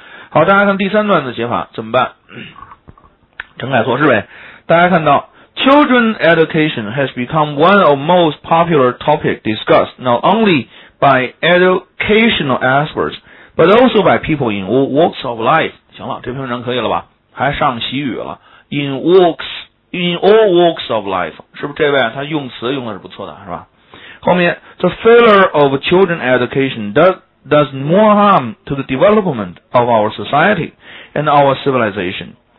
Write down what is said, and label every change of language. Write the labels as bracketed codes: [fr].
[zh] 好，大家看第三段的写法怎么办？整改措施呗。大家看到 [en] ，Children education has become one of most popular topic discussed not only by educational experts but also by people in all walks of life。 [zh] 行了，这篇文章可以了吧？还上习语了 ， [en] in all walks of life， [zh] 是不是这位？他用词用的是不错的，是吧？后面 [en] ，the failure of children education does more harm to the development of our society and our civilization.